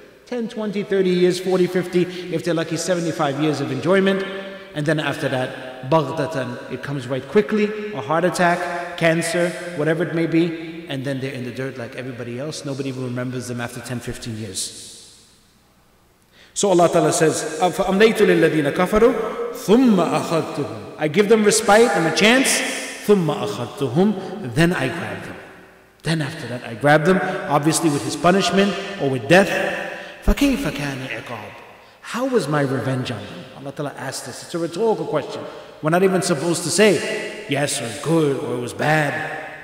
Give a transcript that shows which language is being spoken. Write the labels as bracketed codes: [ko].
[en] 10, 20, 30 years, 40, 50, if they're lucky, 75 years of enjoyment. And then after that, baghdatan, it comes right quickly, a heart attack, cancer, whatever it may be, and then they're in the dirt like everybody else. Nobody even remembers them after 10, 15 years. So Allah Ta'ala says, [ar] أَمْلَيْتُ لِلَّذِينَ كَفَرُوا ثُمَّ أَخَذْتُهُمْ. [en] I give them respite and a chance, [ar] ثُمَّ أَخَذْتُهُمْ. [en] Then I grab them. Then after that, I grab them, obviously with his punishment or with death. [ar] فَكَيْفَ كَانِ عِقَابِ. [en] How was my revenge on them? Allah Ta'ala asked this. It's a rhetorical question. We're not even supposed to say yes or good or it was bad.